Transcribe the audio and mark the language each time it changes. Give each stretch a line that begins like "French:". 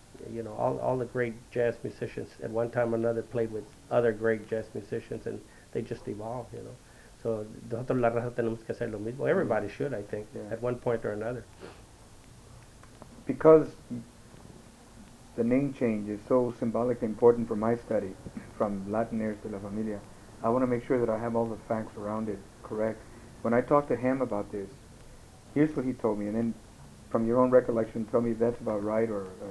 English: You know, all the great jazz musicians at one time or another played with other great jazz musicians, and they just evolved, you know.
Spanish: So, nosotros la raza tenemos que hacer lo mismo.
English: Everybody should, I think, at one point or another. Because the name change is so symbolically important for my study, from Latin Airs to La Familia, I want to make sure that I have all the facts around it correct. When I talked to him about this, here's what he told me, and then from your own recollection, tell me if that's about right or.